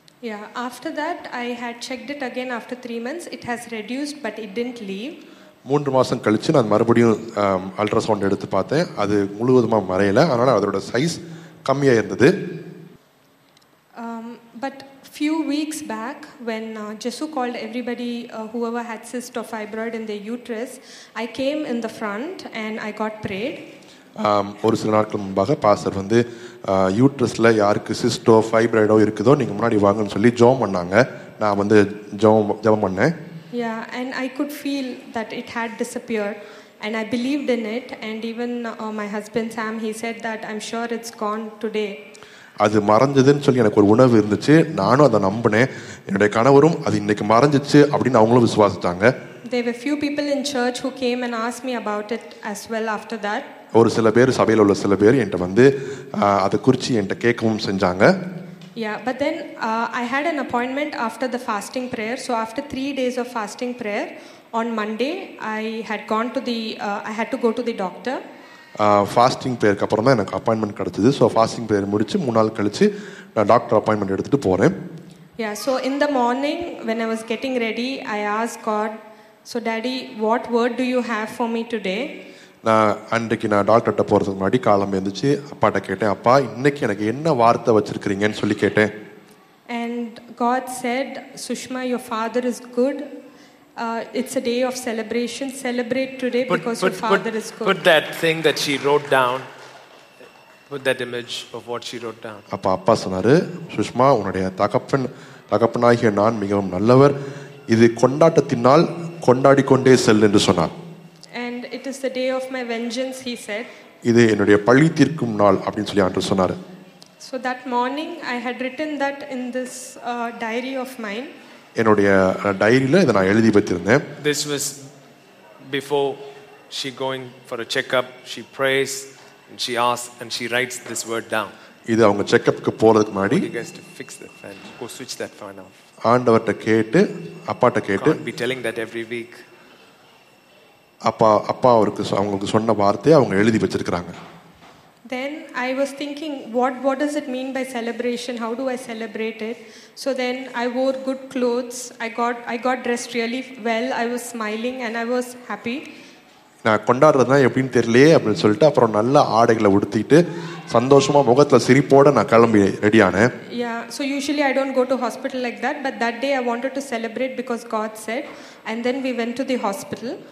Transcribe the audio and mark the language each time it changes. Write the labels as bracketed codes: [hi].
[en] Yeah, after that I had checked it again after 3 months. It has reduced but it didn't leave. [ta] 3 மாசம் கழிச்சு நான் மறுபடியும் ultrasound எடுத்து பார்த்தேன். அது முழுவதுமா மறையல. அதனால அதோட சைஸ் கம்மியா இருந்தது. [en] But few weeks back when Jesu called everybody whoever had cyst or fibroid in their uterus, I came in the front and I got prayed. [ta] ஒரு சில நாட்கள் முன்பாக பாஸ்டர் வந்து யூட்ரஸ்ல யாருக்கு சிஸ்டோ ஃபைப்ராய்டோ இருக்குதோ நீங்க முன்னாடி வாங்கன்னு சொல்லி ஜெபம் பண்ணாங்க. நான் வந்து ஜெபம் பண்ணேன். [en] Yeah, and I could feel that it had disappeared and I believed in it and even my husband Sam he said that I'm sure it's gone today. [ta] அது மறைஞ்சதுன்னு சொல்லி எனக்கு ஒரு உணர்வு இருந்துச்சு. நானும் அதை நம்பினேன். என்னுடைய கணவரும் அது இன்னைக்கு மறைஞ்சிச்சு அப்படின்னு அவங்களும் விசுவாசிச்சாங்க. [en] There were few people in church who came and asked me about it as well after that. [ta] ஒரு சில பேர் சபையில் உள்ள சில பேர் என்கிட்ட வந்து அதை குறித்து என்கிட்ட கேட்கவும் செஞ்சாங்க. [en] Yeah, but then I had an appointment after the fasting prayer. So after 3 days of fasting prayer, on Monday, I had to go to the doctor. [ta] Fasting prayer-க்கு அப்புறம் தான் எனக்கு அப்பாயின்மெண்ட் கிடைச்சிது. ஸோ ஃபாஸ்டிங் ப்ரேயர் முடித்து 3 நாள் கழித்து நான் doctor appointment எடுத்துகிட்டு போகிறேன். [en] Yeah, so in the morning, when I was getting ready, I asked God, so daddy, what word do you have for me today? [ta] நான் அன்றைக்கு நான் டாக்டர்கிட்ட போகிறதுக்கு முன்னாடி காலம் எழுந்துச்சு அப்பாட்ட கேட்டேன், அப்பா இன்னைக்கு எனக்கு என்ன வார்த்தை வச்சுருக்கிறீங்கன்னு சொல்லி கேட்டேன். [en] And God said, Sushma, your father is good. It's a day of celebration. Celebrate today because your father is good. Put that thing that she wrote down. Put that image of what she wrote down. [ta] அப்பா சொன்னாரு, சுஷ்மா உன்னுடைய தகப்பனாகிய நான் மிகவும் நல்லவர். இது கொண்டாட்டத்தினால் கொண்டாடிக்கொண்டே செல் என்று சொன்னார். [en] It is the day of my vengeance, he said. [ta] இது என்னுடைய பழி தீர்க்கும் நாள் அப்படினு சொல்லி ஆண்டவர் சொன்னாரு. [en] So that morning I had written that in this diary of mine. [ta] என்னுடைய டைரியில இத நான் எழுதி வச்சிருந்தேன். [en] This was before she going for a checkup, she prays and she asks and she writes this word down. [ta] இது அவங்க செக்கப்புக்கு போறதுக்கு முன்னாடி. [en] You guys to fix the fan. Go switch that fan off. [ta] ஆண்டவர்ட்ட கேட்டு அப்பாட்ட கேட்டு. [en] Can't be telling that every week. [ta] அப்பா அப்பா அவருக்கு அவங்களுக்கு சொன்ன வார்த்தையை அவங்க எழுதி வச்சிருக்காங்க. [en] Then I was thinking what does it mean by celebration? How do I celebrate it? So then I wore good clothes. I got dressed really well. I was smiling and I was happy. [ta] நான் கொண்டாடுறதுனா எப்படின்னு தெரியலே அப்படின்னு சொல்லிட்டு அப்புறம் நல்ல ஆடைகளை உடுத்திட்டு சந்தோஷமா முகத்துல சிரிப்போட நான் கிளம்பி ரெடி ஆனேன். [en] Yeah, so usually I don't go to hospital like that, but that day I wanted to celebrate because God said, and then we went to the hospital.